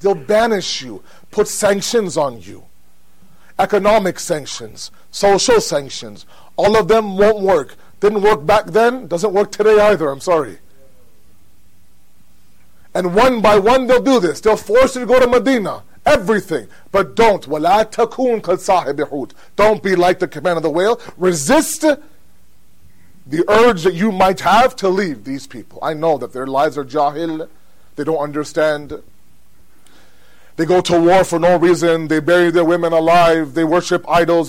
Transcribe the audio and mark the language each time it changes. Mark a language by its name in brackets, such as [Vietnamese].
[English] They'll banish you, put sanctions on you. Economic sanctions, social sanctions, all of them won't work. Didn't work back then, doesn't work today either, I'm sorry. And one by one they'll do this. They'll force you to go to Medina, everything. But don't, [Arabic] وَلَا تَكُونَ كَالصَّاحِبِ حُوتِ. [English] Don't be like the command of the whale. Resist the urge that you might have to leave these people. I know that their lives are jahil, they don't understand. They go to war for no reason. They bury their women alive. They worship idols.